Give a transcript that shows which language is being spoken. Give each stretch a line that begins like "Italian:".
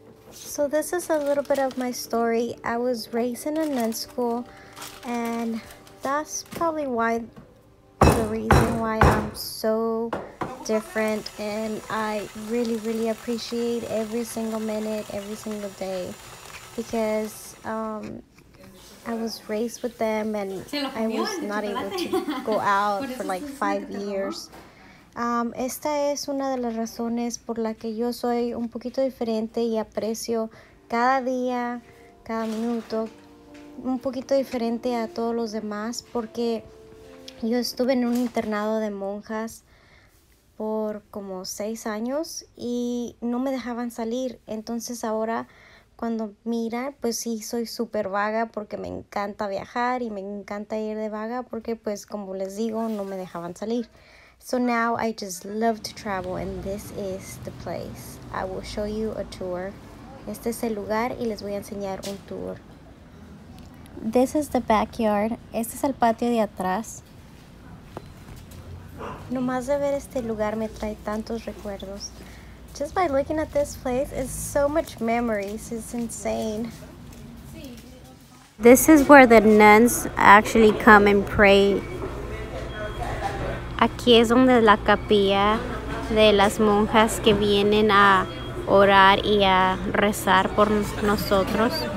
English: So this is a little bit of my story. I was raised in a nun school, and that's probably why the reason why I'm so different, and I really, really appreciate every single minute, every single day, because I was raised with them and I was not able to go out for like 5 years.
Spanish: Esta es una de las razones por la que yo soy un poquito diferente y aprecio cada día, cada minuto, un poquito diferente a todos los demás, porque yo estuve en un internado de monjas por como 6 años y no me dejaban salir. Entonces ahora cuando miran, pues sí, soy súper vaga porque me encanta viajar y me encanta ir de vaga porque, pues, como les digo, no me dejaban salir.
English: So now I just love to travel and this is the place. I will show you a tour.
Spanish: Este es el lugar y les voy a enseñar un tour.
English: This is the backyard.
Spanish: Este es el patio de atrás. Nomás de ver este lugar me trae tantos recuerdos.
English: Just by looking at this place, it's so much memories. It's insane. This is where the nuns actually come and pray.
Spanish: Aquí es donde la capilla de las monjas que vienen a orar y a rezar por nosotros.